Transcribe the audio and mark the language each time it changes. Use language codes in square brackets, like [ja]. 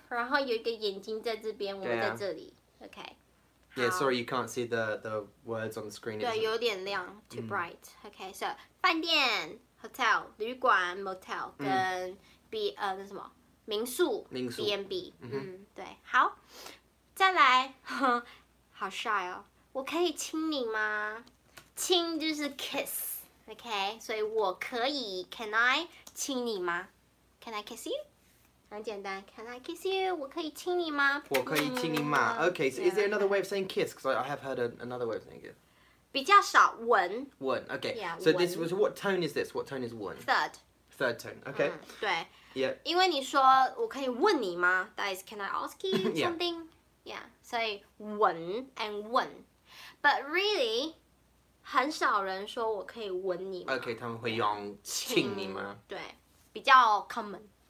[zh] 然后有一个眼睛在这边，我们在这里 OK. [en] Yeah, sorry, you can't see the words on the screen. [zh] 对，有点亮 [en] too bright. [zh] Okay, so 饭店, hotel, 旅馆, motel, 跟 B, 那什么, 民宿, 民宿, [en] B&B. [zh] 嗯，对，好, 再来, 好 shy 哦, 我可以亲你吗? 亲就是 [en] kiss, okay? [zh] 所以我可以, [en] can I 亲你吗?Can I kiss you? [zh] 很简单, [en] can I kiss you? [zh] 我可以亲你吗? 我可以亲你吗? [en] Okay, so is there another way of saying kiss? Because I have heard another way of saying kiss. [zh] 比较少,吻. 吻, okay. [en] Yeah, so 文. This was, what tone is this? What tone is 吻? Third. Third tone, okay. [zh] 对. [en] Yeah. [zh] 因为你说,我可以问你吗? [en] That is, can I ask you something? Yeah. So, 吻 and 吻. But really, [zh] 很少人说我可以吻你吗? [en] Okay, [zh] 他们会用 亲你吗? 对, 比较 common.